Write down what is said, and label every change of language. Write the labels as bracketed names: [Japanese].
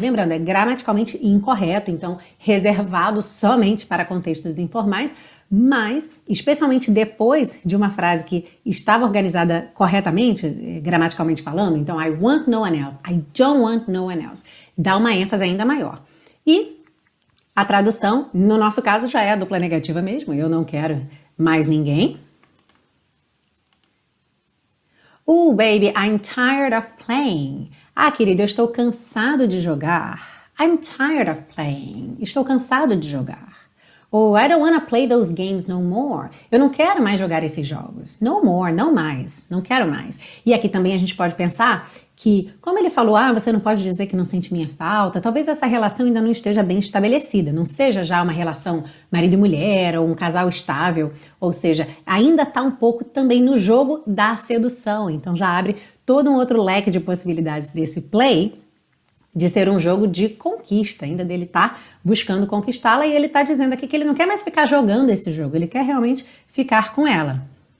[Portuguese] Lembrando, é gramaticalmente incorreto, então reservado somente para contextos informais, mas especialmente depois de uma frase que estava organizada corretamente, gramaticalmente falando, então [English] I want no one else, [Portuguese] I don't want no one else, dá uma ênfase ainda maior. E a tradução, no nosso caso, já é a dupla negativa mesmo, eu não quero mais ninguém. [English] Oh, baby, I'm tired of playing. [Portuguese] Ah, querido, eu estou cansado de jogar. [English] I'm tired of playing. [Portuguese] Estou cansado de jogar. [English] Oh, I don't want to play those games no more. [Portuguese] Eu não quero mais jogar esses jogos. [English] No more, [Portuguese] não mais. Não quero mais. E aqui também a gente pode pensar que, como ele falou, ah, você não pode dizer que não sente minha falta, talvez essa relação ainda não esteja bem estabelecida, não seja já uma relação marido e mulher ou um casal estável, ou seja, ainda está um pouco também no jogo da sedução, então já abre todo um outro leque de possibilidades desse play de ser um jogo de conquista, ainda dele estar buscando conquistá-la, e ele está dizendo aqui que ele não quer mais ficar jogando esse jogo, ele quer realmente ficar com ela.